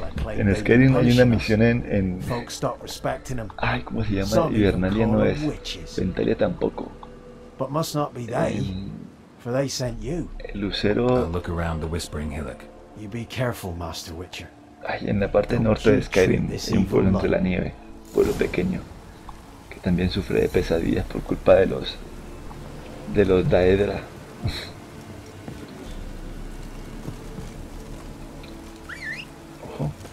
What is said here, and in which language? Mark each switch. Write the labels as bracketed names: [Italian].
[Spanish] En Skyrim hay una misión en ay, ¿cómo se llama? Hibernalia no es. Ventalia tampoco. [English] But must not be they, for they sent you. [Spanish] El lucero. [English] Look around the whispering hillock. You be careful, Master Witcher. [Spanish] Ahí en la parte norte de Skyrim, un pueblo entre la nieve, pueblo pequeño, que también sufre de pesadillas por culpa de los Daedra. Ojo.